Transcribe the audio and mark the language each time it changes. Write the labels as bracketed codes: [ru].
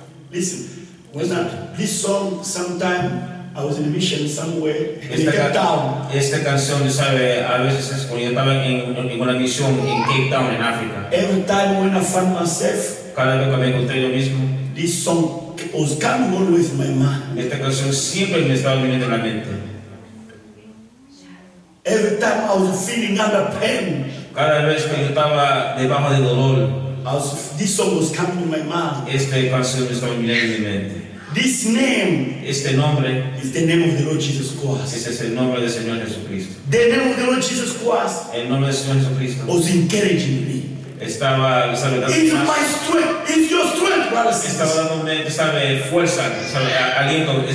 [en] Listen, when this song sometime, I was in a mission somewhere in Cape Town. [es] Esta canción, sabe, a veces es cuando yo estaba en una misión en Cape Town, en África. [en] Every time when I found myself, [es] cada vez que me encontré yo mismo, [en] this song was coming always in my mind. [es] Esta canción siempre me estaba viniendo a la mente. [en] Every time I was feeling under pain, [es] cada vez que yo estaba debajo de dolor, [en] this song was coming in my mind. [es] Esta canción me estaba viniendo a mi mente. [en] This name, [es] este nombre, [en] is the name of the Lord Jesus Christ. [es] Ese es el nombre del Señor Jesucristo. [en] The name of the Lord Jesus Christ. [es] El nombre del Señor Jesucristo. [en] Was encouraging me. [es] Estaba, sabe, dando. [en] It's my strength. It's your strength, brothers. [es] Estaba dándome, sabe, fuerza, sabe, aliento.